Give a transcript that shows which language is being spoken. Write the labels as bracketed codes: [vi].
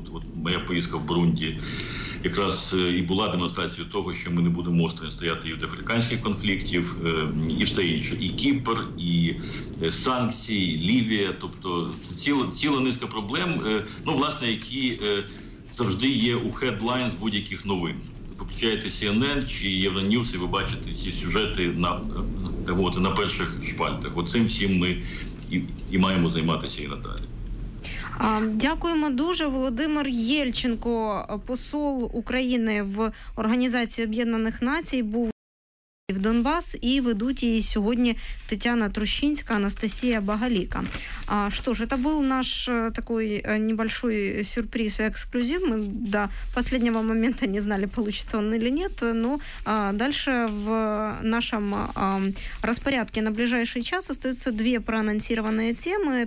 [uk] От моя поїздка в Бурунді якраз і була демонстрацією того, що ми не будемо осторонь стояти і в африканських конфліктів, і все інше. І Кіпр, і санкції, і Лівія. Тобто ціла низка проблем, які завжди є у хедлайнс будь-яких новин. Включаєте CNN чи Euronews, і ви бачите ці сюжети на перших шпальтах. Оцим всім ми і маємо займатися і надалі. Дякуємо дуже. Володимир Єльченко, посол України в Організації Об'єднаних Націй, був в Донбас, і ведуть її сьогодні Тетяна Трущинська, Анастасія Багаліка. [ru] Что ж, это был наш такой небольшой сюрприз и эксклюзив. Мы до последнего момента не знали, получится он или нет, но дальше в нашем распорядке на ближайший час остаются две проанонсированные темы.